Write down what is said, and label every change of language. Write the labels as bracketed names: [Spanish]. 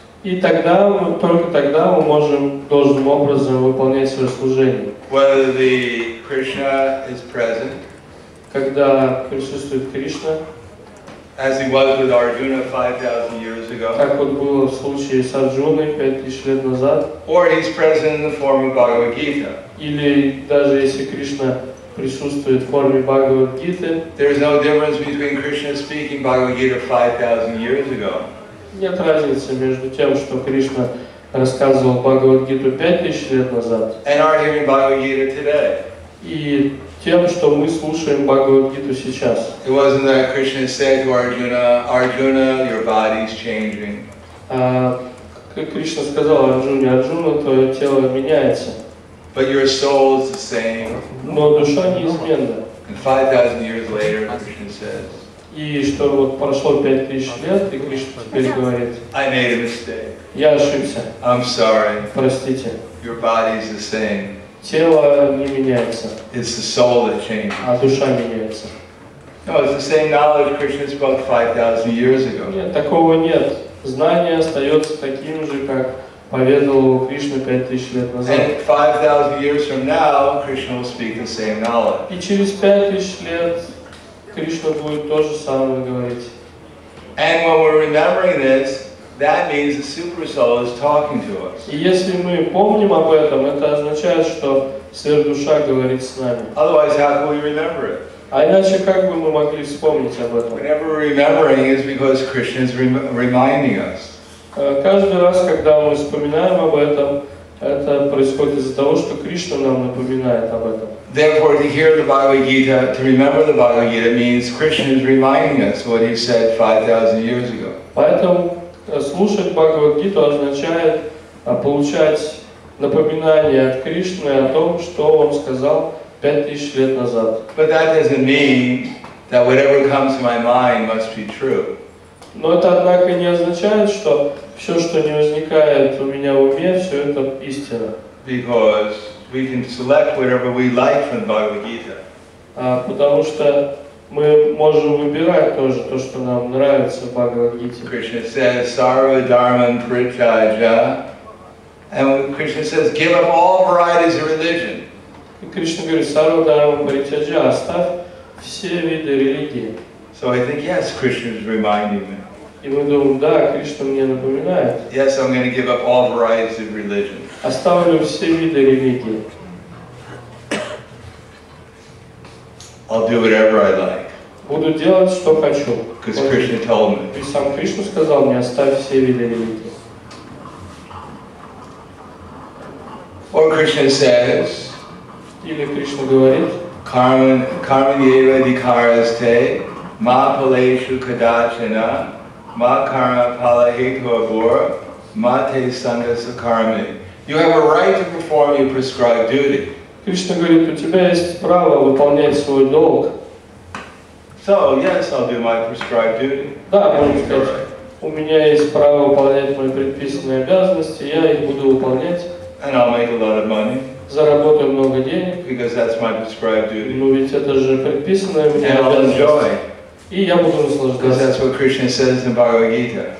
[Russian] И тогда, только тогда мы можем должным образом выполнять свое служение. [English] Whether the Krishna is present, [Russian] когда присутствует Кришна, [English] as he was with Arjuna 5,000 years ago, [Russian] как вот было в случае с Арджуной 5,000 лет назад, [English] or he's present in the form of Bhagavad Gita, [Russian] или даже если Кришна присутствует в форме Бхагавад Гиты, [English] there is no difference between Krishna speaking Bhagavad Gita 5,000 years ago. [Russian] Нет разницы между тем, что Кришна рассказывал Бхагавад-гиту 5000 лет назад, [English] and are hearing Bhagavad-gita today. [Russian] И тем, что мы слушаем Бхагавад-гиту сейчас. [English] It wasn't that Krishna said to Arjuna, Arjuna, your body's changing. [Russian] Как Кришна сказал Арджуне, Арджуна, твое тело меняется. [English] But your soul is the same. [Russian] Но душа неизменна. [English] And 5,000 years later, Krishna says. [Russian] И что вот прошло 5000 лет, и Кришна теперь говорит. [English] I made a mistake. [Russian] Я ошибся. [English] I'm sorry. [Russian] Простите. [English] Your body is the same. [Russian] Тело не меняется. [English] It's the soul that changes. [Russian] А душа меняется. [English] No, it's the same knowledge Krishna spoke 5,000 years ago. [Russian] Нет, такого нет. Знание остается таким же, как поведал Кришна 5000 лет назад. [English] And 5,000 years from now, Krishna will speak the same knowledge. [Russian] И через 5000 лет Кришна будет то же самое говорить. [English] And when we're remembering this, that means the super soul is talking to us. [Russian] И если мы помним об этом, это означает, что сверхдуша говорит с нами. [English] Otherwise, how can we remember it? [Russian] А иначе как бы мы могли вспомнить об этом? [English] Whenever we're remembering is because Krishna is reminding us. [Russian] Каждый раз, когда мы вспоминаем об этом, это происходит из-за того, что Кришна нам напоминает об этом. [English] Therefore, to hear the Bhagavad Gita, to remember the Bhagavad Gita, means Krishna is reminding us what he said 5,000 years ago. [Russian] Поэтому слушать Бхагавад Гиту означает получать напоминание от Кришны о том, что он сказал 5000 лет назад. [English] But that doesn't mean that whatever comes to my mind must be true. [Russian] Но это, однако, не означает, что все, что не возникает у меня в уме, все это истина. [English] Because we can select whatever we like from Bhagavad Gita. [Russian] Потому что мы можем выбирать тоже то, что нам нравится в Бхагавад Гите. [English] Krishna says, [Sanskrit] "Sarva Dharman Pritaja," [English] and Krishna says, "Give up all varieties of religion." [Russian] И Кришна говорит, [Sanskrit] "Sarva Dharman Pritaja," [Russian] оставь все виды религии. [English] So I think yes, Krishna is reminding me. [Russian] И мы думаем, да, Кришна мне напоминает. [English] Yes, I'm going to give up all varieties of religion. [Russian] Оставлю все виды религии. [English] I'll do whatever I like. [Russian] Буду делать, что хочу. [English] Because Krishna told me. [Russian] И сам Кришна сказал мне, оставь все виды религии. [English] Or Krishna says. [Russian] Или Кришна говорит. [Sanskrit] Karma yeva dikaraste, ma paleshu kadachana, ma karma palahetu abhura, ma te sangha sakarmi. [English] You have a right to perform your prescribed duty. [Russian] Кришна говорит, у тебя есть право выполнять свой долг. [English] So, yes, I'll do my prescribed duty. [Russian] Да, можно сказать, у меня есть право выполнять мои предписанные обязанности, я их буду выполнять. [English] And I'll make a lot of money. [Russian] Заработаю много денег. [English] Because that's my prescribed duty. [Russian] Ну ведь это же предписанная мне обязанность. [English] And I'll enjoy. [Russian] И я буду наслаждаться. [English] Because that's what Krishna says in Bhagavad Gita.